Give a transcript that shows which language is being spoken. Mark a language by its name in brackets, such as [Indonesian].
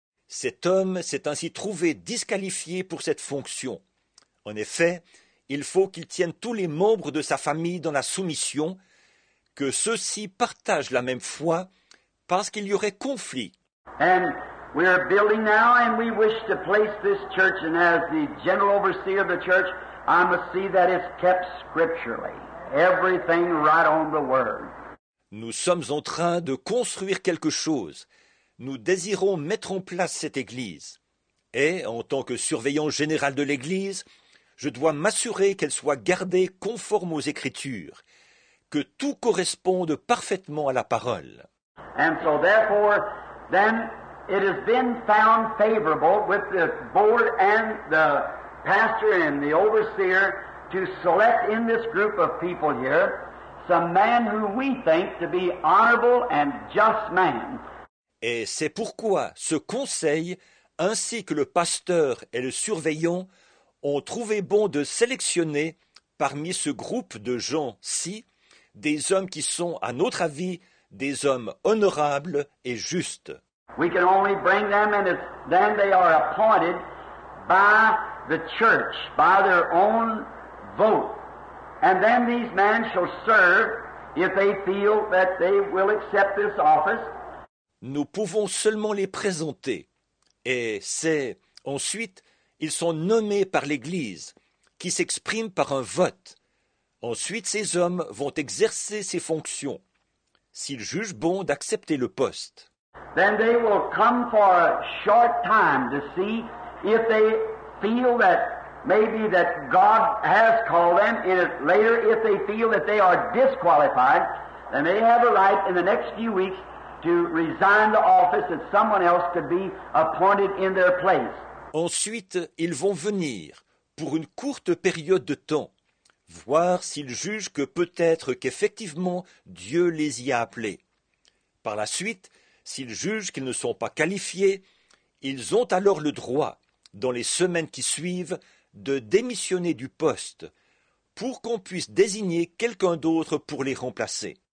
[French] Cet homme s'est ainsi trouvé disqualifié pour cette fonction. En effet, il faut qu'il tienne tous les membres de sa famille dans la soumission, que ceux-ci partagent la même foi, parce qu'il y aurait conflit. [English] And we are building now, and we wish to place this church, and as the general overseer of the church, I must see that it's kept scripturally. Everything right on the word. [French] Nous sommes en train de construire quelque chose. Nous désirons mettre en place cette église. Et, en tant que surveillant général de l'église, je dois m'assurer qu'elle soit gardée conforme aux Écritures, que tout corresponde parfaitement à la parole. [English] And so therefore, then it has been found favorable with the board and the pastor and the overseer to select in this group of people here some man who we think to be honorable and just man. [French] Et c'est pourquoi ce conseil, ainsi que le pasteur et le surveillant, ont trouvé bon de sélectionner parmi ce groupe de gens-ci des hommes qui sont, à notre avis, des hommes honorables et justes. [English] We can only bring them, and then they are appointed by the church, by their own vote. And then these men shall serve if they feel that they will accept this office. [French] Nous pouvons seulement les présenter, et c'est ensuite ils sont nommés par l'Église, qui s'exprime par un vote. Ensuite, ces hommes vont exercer ces fonctions, s'ils jugent bon d'accepter le poste. [English] Then they will come for a short time to see if they feel that maybe that God has called them. And later, if they feel that they are disqualified, then they have a right in the next few weeks to resign the office that someone else could be appointed in their place. [French] Ensuite, ils vont venir pour une courte période de temps, voir s'ils jugent que peut-être qu'effectivement Dieu les y a appelés. Par la suite, s'ils jugent qu'ils ne sont pas qualifiés, ils ont alors le droit, dans les semaines qui suivent, de démissionner du poste pour qu'on puisse désigner quelqu'un d'autre pour les remplacer.